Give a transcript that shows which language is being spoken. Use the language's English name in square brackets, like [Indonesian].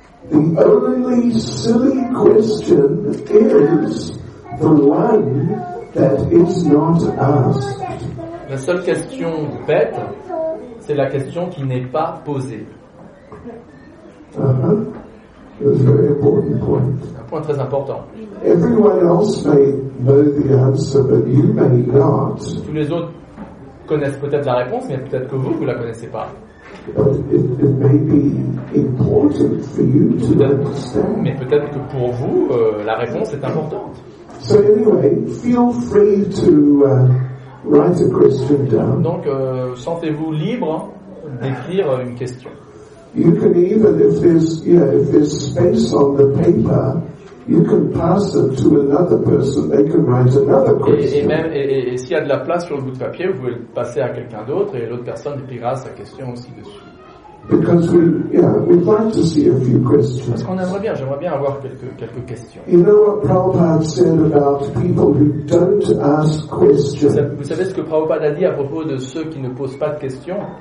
[English] The only silly question is the one that is not asked. [French] La seule question bête, c'est la question qui n'est pas posée. [English] That's a very important point. [French] Un point très important. [English] Everyone else may know the answer, but you may not. [French] Tous les autres connaissent peut-être la réponse, mais peut-être que vous ne la connaissez pas. [English] It may be important for you to understand. [French] Mais peut-être que pour vous, la réponse est importante. [English] So anyway, feel free to Write a question down. [French] Donc, sentez-vous libre d'écrire une question. [English] You can even, if there's, you know, if there's space on the paper, you can pass it to another person. They can write another question. [French] Et s'il y a de la place sur le bout de papier, vous pouvez le passer à quelqu'un d'autre et l'autre personne écrira sa question aussi dessus. [English] Because we, yeah, we'd like to see a few questions. [French] Parce qu'on aimerait bien, j'aimerais bien avoir quelques questions. [English] You know what Prabhupada said about people who don't ask questions. [French] Vous savez ce que Prabhupada a dit à propos de ceux qui ne posent pas de questions?